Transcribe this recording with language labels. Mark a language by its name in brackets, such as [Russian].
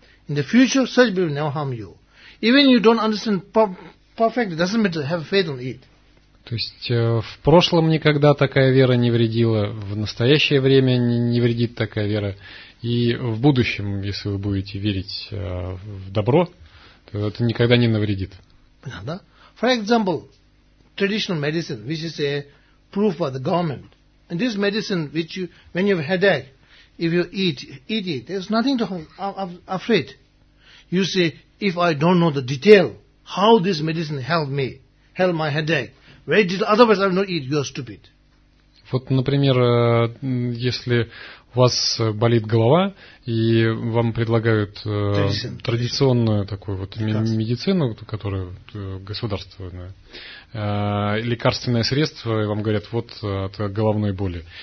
[English] In the future, such belief never harm you. Even you don't understand perfectly, doesn't matter, have faith on it. [Russian] То есть в прошлом никогда такая вера не вредила, в настоящее время не вредит такая вера. И в будущем, если вы будете верить в добро, то это никогда не навредит. Понятно, да? [English] For example, traditional medicine, which is a proof of the government. And this medicine, which you, when you have headache, if you eat it, there's nothing to afraid. You say, if I don't know the detail, how this medicine helped me, helped my headache, very detail, otherwise I will not eat, you are stupid. [Russian] Вот, например, если у вас болит голова, и вам предлагают традиционную такую вот медицину, которая государственная, лекарственное средство, и вам говорят, вот от головной боли.